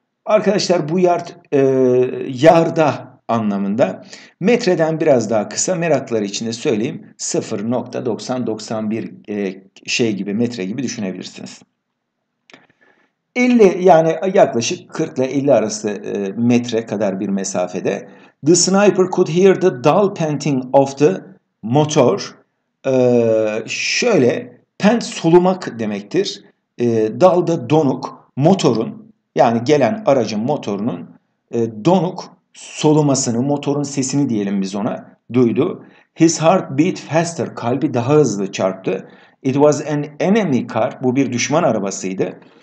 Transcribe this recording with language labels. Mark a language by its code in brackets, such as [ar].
[tr] Arkadaşlar bu yard, yarda anlamında, metreden biraz daha kısa, meraklar içinde söyleyeyim, 0.90-91 şey gibi, metre gibi düşünebilirsiniz. 50, yani yaklaşık 40 ile 50 arası metre kadar bir mesafede. [en] The sniper could hear the dull panting of the motor. [tr] Şöyle, pant solumak demektir. Dull da donuk, motorun, yani gelen aracın motorunun donuk solumasını, motorun sesini diyelim biz ona, duydu. [en] His heart beat faster, [tr] kalbi daha hızlı çarptı. [en] It was an enemy car, [tr] bu bir düşman arabasıydı.